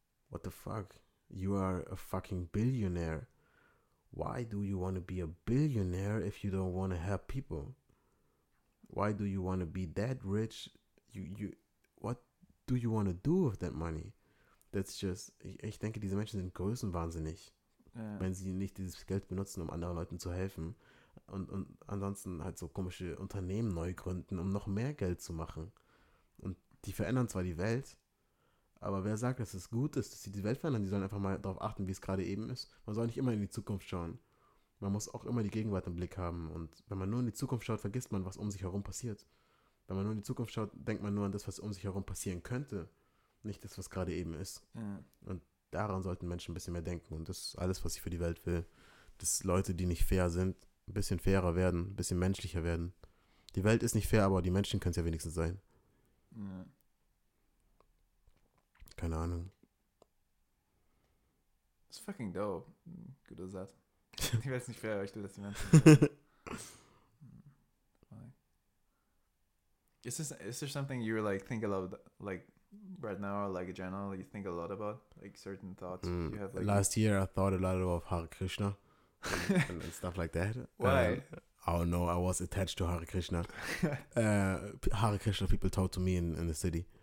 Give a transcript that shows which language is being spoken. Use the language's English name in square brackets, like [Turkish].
[English] What the fuck? You are a fucking billionaire. Why do you want to be a billionaire if you don't want to help people? Why do you want to be that rich? You what do you want to do with that money? That's just, [German] ich denke, diese Menschen sind größenwahnsinnig, [English] yeah, [German] wenn sie nicht dieses Geld benutzen, um anderen Leuten zu helfen und ansonsten halt so komische Unternehmen neu gründen, um noch mehr Geld zu machen. Und die verändern zwar die Welt, aber wer sagt, dass es gut ist, dass sie die Welt verändern? Die sollen einfach mal darauf achten, wie es gerade eben ist. Man soll nicht immer in die Zukunft schauen. Man muss auch immer die Gegenwart im Blick haben. Und wenn man nur in die Zukunft schaut, vergisst man, was um sich herum passiert. Wenn man nur in die Zukunft schaut, denkt man nur an das, was um sich herum passieren könnte. Nicht das, was gerade eben ist. Ja. Und daran sollten Menschen ein bisschen mehr denken. Und das ist alles, was ich für die Welt will. Dass Leute, die nicht fair sind, ein bisschen fairer werden, ein bisschen menschlicher werden. Die Welt ist nicht fair, aber die Menschen können es ja wenigstens sein. Ja. Keine Ahnung. Das ist fucking dope. Guter Satz. Die Welt ist nicht fair, aber ich will, dass die Menschen sein. [English] Is this something you like think about, like, right now, like in general, you think a lot about like certain thoughts you have? Like, last year I thought a lot about Hare Krishna and stuff like that. Why? I don't know, I was attached to Hare Krishna. Hare Krishna people talk to me in the city.